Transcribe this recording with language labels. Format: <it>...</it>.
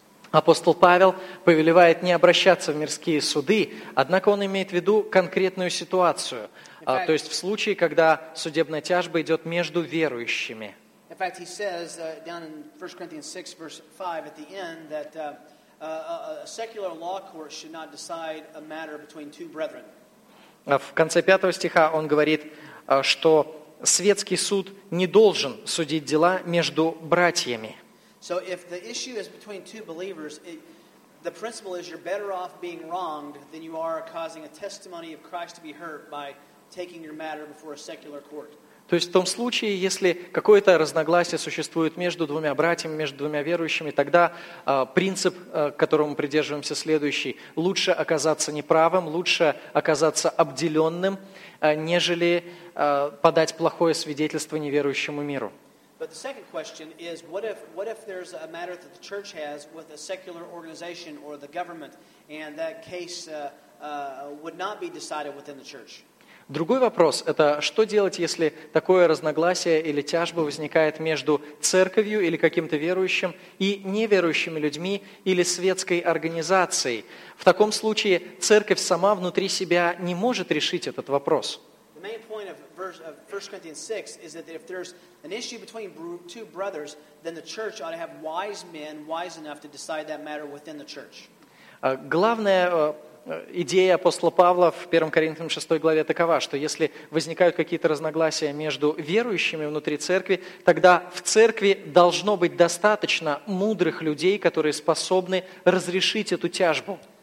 <ru>Апостол Павел повелевает не обращаться в мирские суды, однако он имеет в виду конкретную ситуацию, то есть в случае, когда судебная тяжба идет между верующими.</ru> <en>In fact, he says down in 1 Corinthians 6, verse 5, at the end, that a secular law court should not decide a matter between two brethren.</en> <ru>В конце пятого стиха он говорит, что светский суд не должен судить дела между братьями.</ru> <en>So if the issue is between two believers, the principle is you're better off being wronged than you are causing a testimony of Christ to be hurt by taking your matter before a secular court.</en> <ru>То есть в том случае, если какое-то разногласие существует между двумя братьями, между двумя верующими, тогда принцип, к которому придерживаемся, следующий. Лучше оказаться неправым, лучше оказаться обделенным, нежели подать плохое свидетельство неверующему миру.</ru> <en>But the second question is, what if there's a matter that the church has with a secular organization or the government, and that case would not be decided within the church?</en> <ru>Другой вопрос – это что делать, если такое разногласие или тяжба возникает между церковью или каким-то верующим и неверующими людьми или светской организацией? В таком случае церковь сама внутри себя не может решить этот вопрос.</ru> <en>The main point of 1 Corinthians 6 is that if there's an issue between two brothers, then the church ought to have wise men wise enough to decide that matter within the church.</en> <ru>Главное – идея апостола Павла в 1 Коринфянам 6 главе такова, что если возникают какие-то разногласия между верующими внутри церкви, тогда в церкви должно быть достаточно мудрых людей, которые способны разрешить эту тяжбу.</ru>